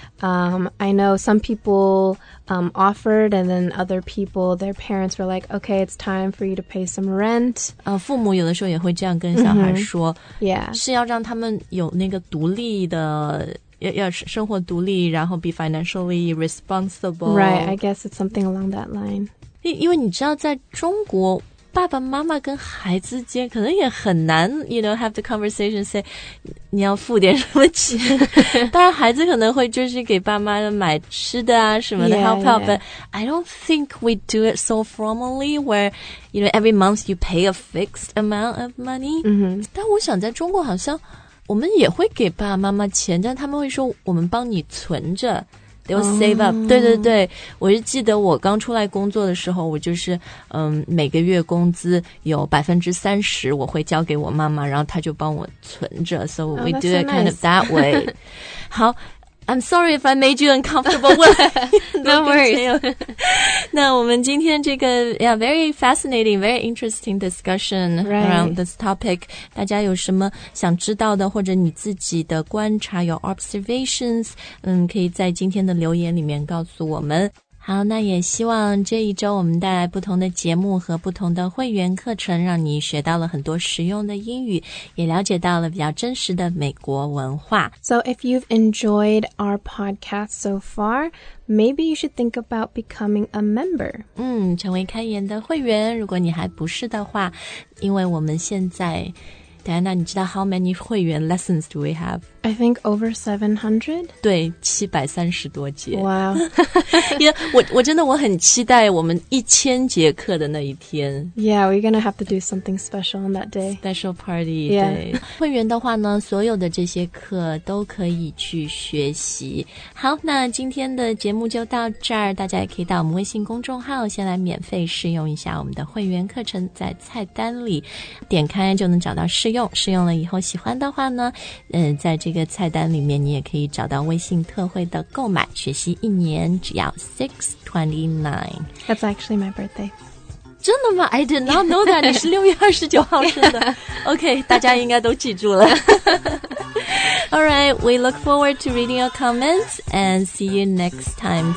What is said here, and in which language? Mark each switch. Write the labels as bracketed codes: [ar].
[en] I know some people offered and then other people, their parents were like, okay, it's time for you to pay some rent. [zh] 父母有的时候也会这样跟小孩说、 [en] mm-hmm. yeah. [zh] 是要让他们有那个独立的要生活独立然后 [en] be financially responsible. Right, I guess it's something along that line. [zh] 因为你知道在中国爸爸妈妈跟孩子间可能也很难 [en] you know, have the conversation say [zh] 你要付点什么钱当然孩子可能会就是给爸妈买吃的啊什么的 [en] yeah, help out yeah. but I don't think we do it so formally where you know, every month you pay a fixed amount of money、 mm-hmm. [zh] 但我想在中国好像我们也会给爸爸妈妈钱但他们会说我们帮你存着 [en] They'll save up.、 Oh. [zh] 对对对，我是记得我刚出来工作的时候，我就是每个月工资有30%，我会交给我妈妈，然后她就帮我存着。 [en] So we、 do it、so nice. kind of that way. 好 ，I'm sorry if I made you uncomfortable. No worries. [zh] 那我们今天这个 [en] yeah very fascinating, very interesting discussion、 right. around this topic. [zh] 大家有什么想知道的或者你自己的观察 [en] your observations, [zh] 可以在今天的留言里面告诉我们。好，那也希望这一周我们带来不同的节目和不同的会员课程，让你学到了很多实用的英语，也了解到了比较真实的美国文化。 [en] So if you've enjoyed our podcast so far, maybe you should think about becoming a member. [zh] 成为开言的会员，如果你还不是的话，因为我们现在Diana, 你知道 [en] how many [zh] 会员 [en] lessons do we have? I think over 700. [zh] 对，730多节。 [en] Wow. [zh] Yeah, 我真的我很期待我们1000节课的那一天。 [en] Yeah, we're going to have to do something special on that day. Special party, yeah. 对。 [zh] 会员的话呢，所有的这些课都可以去学习。好，那今天的节目就到这儿，大家也可以到我们微信公众号先来免费试用一下我们的会员课程，在菜单里点开就能找到试用了以后喜欢的话呢，在这个菜单里面你也可以找到微信特惠的购买，学习一年只要629. [en] That's actually my birthday. [zh] 真的吗？ [en] I did not know that. [zh] 你是6月29号生的。 OK, 大家应该都记住了。 [en] Alright, we look forward to reading your comments and see you next time.